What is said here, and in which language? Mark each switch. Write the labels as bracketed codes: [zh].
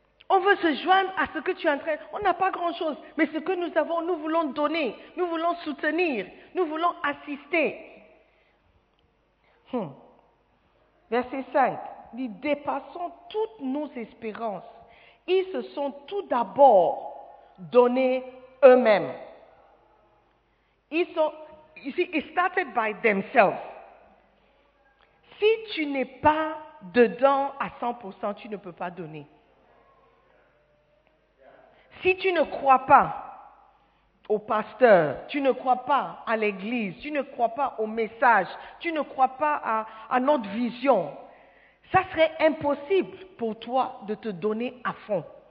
[fr] On veut se joindre à ce que tu es en train. On n'a pas grand-chose, mais ce que nous avons, nous voulons donner, nous voulons soutenir, nous voulons assister. Verset 5 dit, dépassons toutes nos espérances. Ils se sont tout d'abord donnés eux-mêmes. Ils sont, [en] you see, it started by themselves. [fr] Si tu n'es pas dedans à 100%, tu ne peux pas donner. Si tu ne crois pas au pasteur, tu ne crois pas à l'église, tu ne crois pas au message, tu ne crois pas à notre vision, ça serait impossible pour toi de te donner à fond.